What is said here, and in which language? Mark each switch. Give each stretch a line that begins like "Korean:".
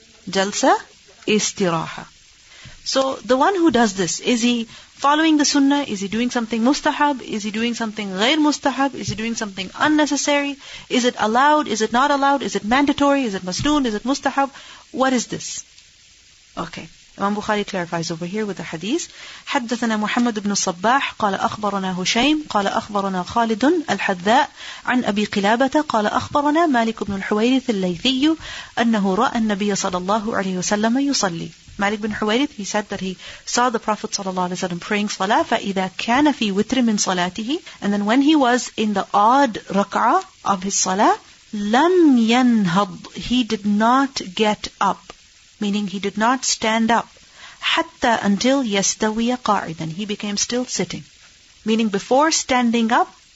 English: Jalsa istiraha. So the one who does this, is he following the sunnah? Is he doing something mustahab? Is he doing something ghair mustahab? Is he doing something unnecessary? Is it allowed? Is it not allowed? Is it mandatory? Is it masnoon? Is it mustahab? What is this? Okay. Imam Bukhari clarifies over here with the hadith.
Arabic: حدثنا محمد بن الصباح قال أخبرنا هشيم قال أخبرنا خالد الحذاء عن أبي قلابة قال أخبرنا مالك بن الحويرث الليثي أنه رأى النبي صلى الله عليه وسلم يصلي.
English: Malik bin Huwayrith, he said that he saw the Prophet sallallahu alaihi wasallam praying salah.
Arabic: فَإِذَا كَانَ فِي وِتْرٍ مِنْ صَلَاتِهِ,
English: and then when he was in the odd rak'ah of his salah,
Arabic: لَمْ يَنْهَضْ,
English: he did not get up, meaning he did not stand up,
Arabic: حَتَّى
English: until
Arabic: يَسْتَوِيَ قَاعِدًا,
English: he became still sitting, meaning before standing up